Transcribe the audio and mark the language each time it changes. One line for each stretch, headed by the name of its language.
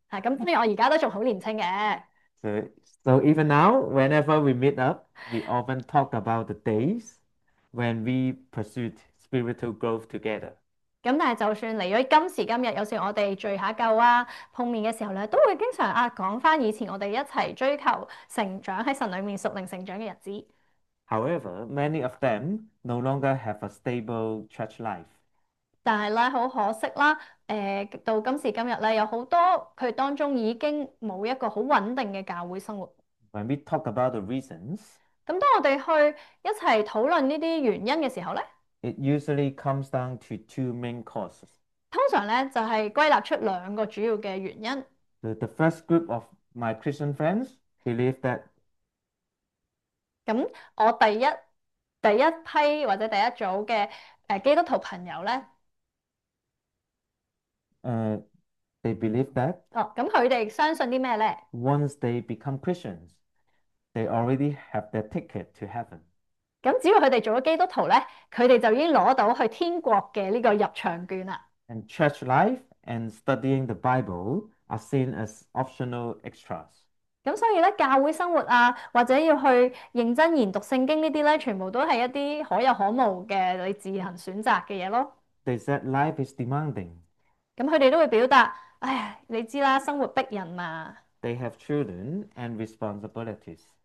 Cantonese: 系咁，虽然我而家都仲好年轻嘅。
English: So even now, whenever we meet up, we often talk about the days when we pursued spiritual growth together.
Cantonese: 咁但系就算嚟咗今时今日，有时我哋聚下旧啊，碰面嘅时候咧，都会经常啊讲翻以前我哋一齐追求成长喺神里面属灵成长嘅日子。
English: However, many of them no longer have a stable church life.
Cantonese: 但系咧，好可惜啦，到今时今日咧，有好多佢当中已经冇一个好稳定嘅教会生活。
English: When we talk about the reasons,
Cantonese: 咁当我哋去一齐讨论呢啲原因嘅时候咧，
English: it usually comes down to two main causes.
Cantonese: 通常咧就系归纳出两个主要嘅原因。
English: The first group of my Christian friends believe that
Cantonese: 咁我第一批或者第一组嘅基督徒朋友咧。
English: they believe that
Cantonese: 哦，咁佢哋相信啲咩咧？
English: once they become Christians, they already have their ticket to heaven.
Cantonese: 咁只要佢哋做咗基督徒咧，佢哋就已经攞到去天国嘅呢个入场券啦。
English: And church life and studying the Bible are seen as optional extras.
Cantonese: 咁所以咧，教会生活啊，或者要去认真研读圣经呢啲咧，全部都系一啲可有可无嘅你自行选择嘅嘢咯。
English: They said life is demanding.
Cantonese: 咁佢哋都会表达。唉，你知啦，生活逼人嘛。
English: They have children and responsibilities.